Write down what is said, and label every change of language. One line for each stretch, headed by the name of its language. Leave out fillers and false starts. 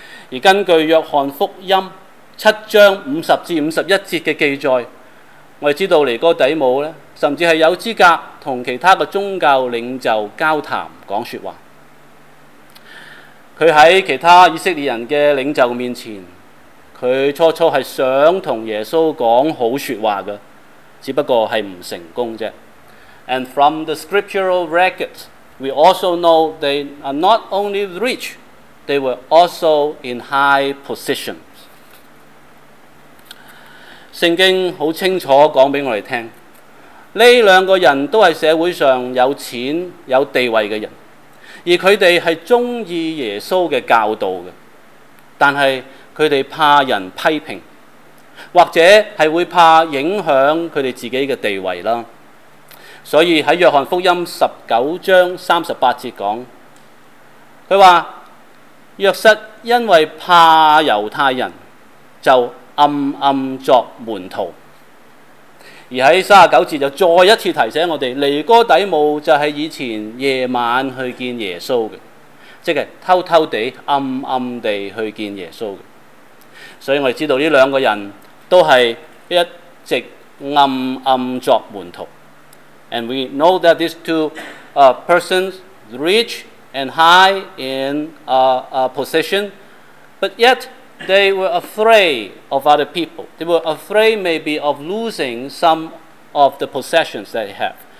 Chinese: 而根據約翰福音7章50至51節的記載，我們知道尼哥底母甚至是有資格和其他的宗教領袖交談講說話，他在其他以色列人的領袖面前，他初初是想跟耶穌講好說話的，只不過是不成功而已。
English: And from the scriptural records, we also know they are not only rich, they were also in high positions.
Chinese: 聖經很清楚講給我們聽，這兩個人都是社會上有錢有地位的人，而他們是喜歡耶穌的教導的，但是他們怕人批評，或者是會怕影響他們自己的地位。所以在約翰福音19章38節說，他說約瑟因為怕猶太人就暗暗作門徒。而在39節就再一次提醒我們，尼哥底母就是以前夜晚去見耶穌的，即是偷偷地暗暗地去見耶穌的。所以我們知道這兩個人都是一直暗暗作門徒。
English: And we know that these two persons, rich and high in a position, but yet they were afraid of other people. They were afraid maybe of losing some of the possessions that they have.